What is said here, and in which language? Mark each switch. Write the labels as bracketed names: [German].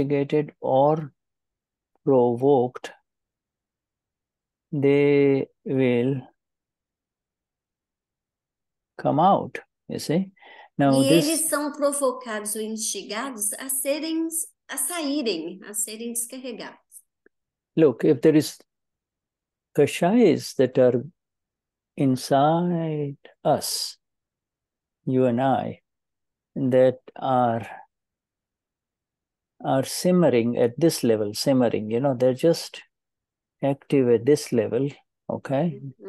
[English] If they are instigated or provoked, they will come out, you see? [Portuguese] Now, eles são provocados ou instigados a saírem descarregados. [English] Look, if there is kashayas that are inside us, you and I, that are simmering at this level, simmering, you know, they're just active at this level, okay?